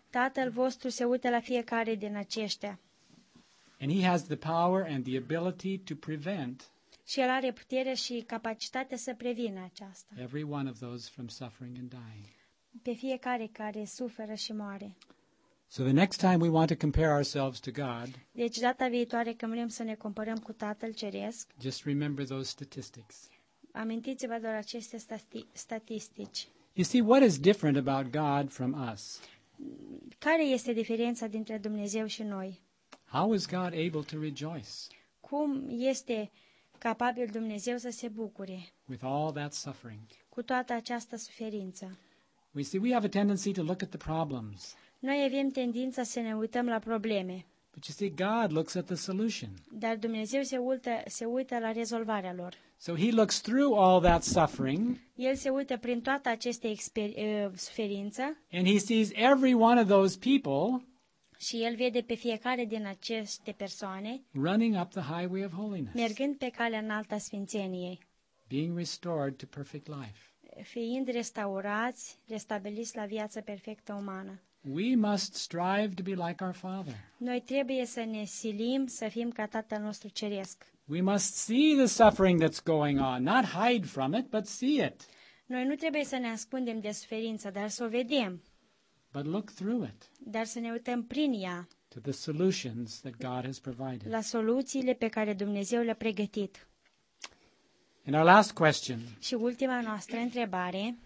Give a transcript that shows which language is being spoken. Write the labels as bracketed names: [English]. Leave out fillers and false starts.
[Romanian] Tatăl vostru se uită la fiecare din aceștia. [English] And he has the power and the ability to prevent. [Romanian] Și el are puterea și capacitatea să prevină aceasta. [English] Every one of those from suffering and dying. [Romanian] Pe fiecare care suferă și moare. [English] So the next time we want to compare ourselves to God. [Romanian] Deci data viitoare când vrem să ne comparăm cu Tatăl Ceresc. [English] Just remember those statistics. [Romanian] Amintiți-vă doar aceste statistici. [English] You see, what is different about God from us? [Romanian] Care este diferența dintre Dumnezeu și noi? [English] How is God able to rejoice? [Romanian] Cum este capabil Dumnezeu să se bucure? [English] With all that suffering. [Romanian] Cu toată această suferință. [English] We see, we have a tendency to look at the problems. [Romanian] Noi avem tendința să ne uităm la probleme. [English] But you see, God looks at the solution. [Romanian] Dar Dumnezeu se uită la rezolvarea lor. [English] So he looks through all that suffering. [Romanian] El se uită prin toată această suferință. [English] And he sees every one of those people. [Romanian] Și el vede pe fiecare din aceste persoane. [English] Running up the highway of holiness. [Romanian] Mergând pe calea înaltă a sfințeniei. [English] Being restored to perfect life. [Romanian] Fiind restaurați, restabiliți la viața perfectă umană. [English] We must strive to be like our Father. [Romanian] Noi trebuie să ne silim să fim ca Tatăl nostru Ceresc. [English] We must see the suffering that's going on, not hide from it, but see it. [Romanian] Noi nu trebuie să ne ascundem de suferință, dar să o vedem. [English] But look through it. [Romanian] Dar să ne uităm prin ea. [English] To the solutions that God has provided. [Romanian] La soluțiile pe care Dumnezeu le-a pregătit. [English] And our last question. [Romanian] Și ultima noastră întrebare.